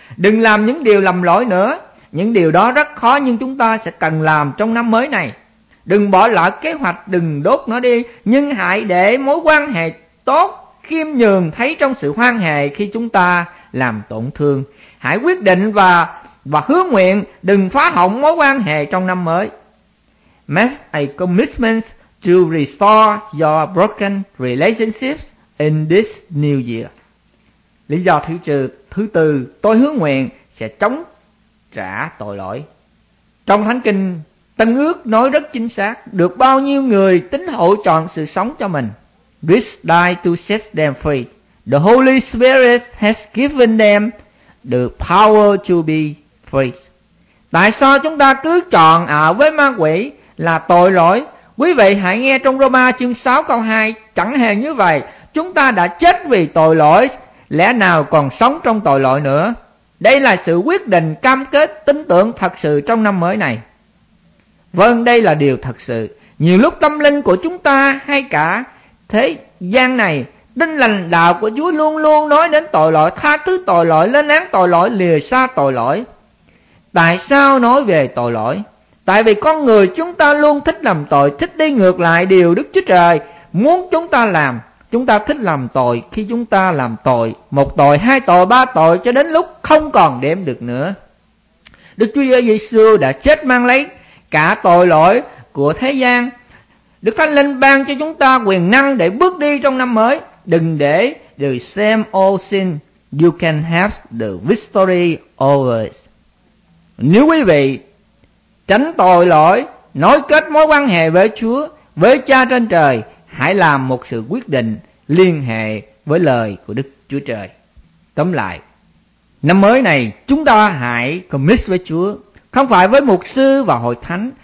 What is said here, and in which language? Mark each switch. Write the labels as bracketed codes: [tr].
[vi] Đừng làm những điều lầm lỗi nữa. Những điều đó rất khó nhưng chúng ta sẽ cần làm trong năm mới này. Đừng bỏ lỡ kế hoạch, đừng đốt nó đi. Nhưng hãy để mối quan hệ tốt, khiêm nhường thấy trong sự quan hệ khi chúng ta làm tổn thương. Hãy quyết định và hứa nguyện đừng phá hỏng mối quan hệ trong năm mới. [en] Make a commitment to restore your broken relationships in this new year. [vi] Lý do thứ tư, tôi hứa nguyện sẽ chống trả tội lỗi. Trong Thánh Kinh, Tân Ước nói rất chính xác, được bao nhiêu người tín hữu chọn sự sống cho mình. [en] Christ died to set them free. The Holy Spirit has given them the power to be free. [vi] Tại sao chúng ta cứ chọn với ma quỷ là tội lỗi? Quý vị hãy nghe trong Roma chương 6 câu 2, chẳng hề như vậy. Chúng ta đã chết vì tội lỗi, lẽ nào còn sống trong tội lỗi nữa? Đây là sự quyết định cam kết tin tưởng thật sự trong năm mới này. Vâng, đây là điều thật sự. Nhiều lúc tâm linh của chúng ta hay cả thế gian này, tin lành đạo của Chúa luôn luôn nói đến tội lỗi, tha thứ tội lỗi, lên án tội lỗi, lìa xa tội lỗi. Tại sao nói về tội lỗi? Tại vì con người chúng ta luôn thích làm tội, thích đi ngược lại điều Đức Chúa Trời muốn chúng ta làm. Chúng ta thích làm tội khi chúng ta làm tội, một tội, hai tội, ba tội, cho đến lúc không còn đếm được nữa. Đức Chúa Giê-xu đã chết mang lấy cả tội lỗi của thế gian. Đức Thánh Linh ban cho chúng ta quyền năng để bước đi trong năm mới. Đừng để [en] the same old sin, you can have the victory over it. [vi] Nếu quý vị tránh tội lỗi, nối kết mối quan hệ với Chúa, với Cha trên trời, hãy làm một sự quyết định liên hệ với lời của Đức Chúa Trời. Tóm lại, năm mới này chúng ta hãy commit với Chúa, không phải với mục sư và hội thánh.